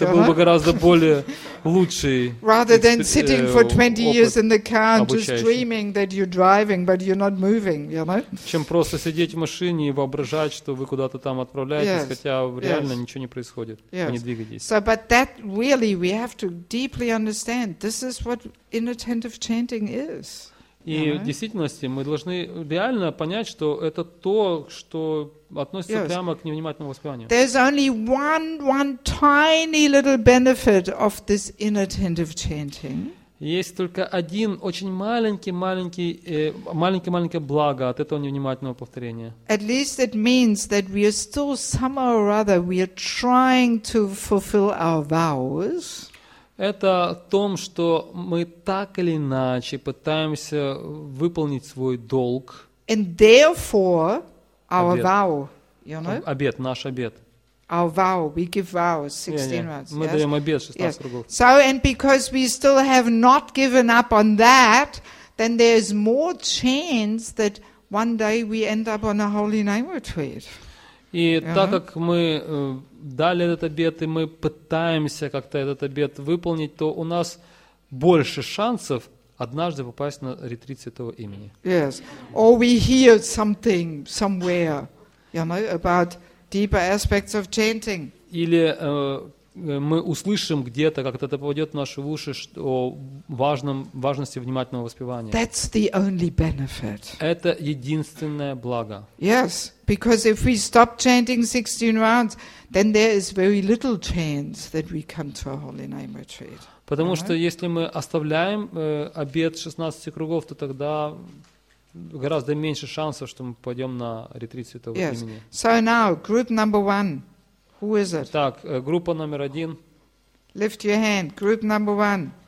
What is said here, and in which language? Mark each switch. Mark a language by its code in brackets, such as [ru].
[ru] Это был бы гораздо более лучший. [en] Rather than sitting for 20 years in the car and just dreaming that you're driving, but you're not moving, you know. [ru] Чем просто сидеть в машине и воображать, что вы куда-то там отправляетесь, хотя реально ничего не происходит, вы не двигаетесь. [en] So, but that really we have to deeply understand. This is what inattentive chanting is. [ru] И в действительности мы должны реально понять, что это то, что относится прямо к невнимательному воспеванию. [en] There's only one tiny little benefit of this inattentive chanting. [ru] Есть только один очень маленькое благо от этого невнимательного повторения. [en] At least it means that we are still somehow or other we are trying to fulfill our vows. [ru] Это о том, что мы так или иначе пытаемся выполнить свой долг. [en] And therefore, our vow, you know? [ru] Обет, наш обет. [en] Our vow, we give vows, 16 rounds. [ru] Мы даем обет, 16 кругов. [en] So, and because we still have not given up on that, then there's more chance that one day we end up on a holy name retreat. [ru] И так как мы дали этот обет, и мы пытаемся как-то этот обет выполнить, то у нас больше шансов однажды попасть на ретрит Святого Имени. [en] Yes. Or we hear something somewhere, you know, about deeper aspects of chanting. [ru] Или мы услышим где-то, как это попадет в наши уши, о важности внимательного воспевания. [en] That's the only benefit. [ru] Это единственное благо. [en] Yes, because if we stop chanting 16 rounds, then there is very little chance that we come to a holy name retreat. [ru] Потому что если мы оставляем обет 16 кругов, то тогда гораздо меньше шансов, что мы пойдем на ретрит Святого [en] yes. [ru] Имени. [en] So now, group number one. Who is it? [ru] Так, группа номер один. [en] Lift your hand. Group number one.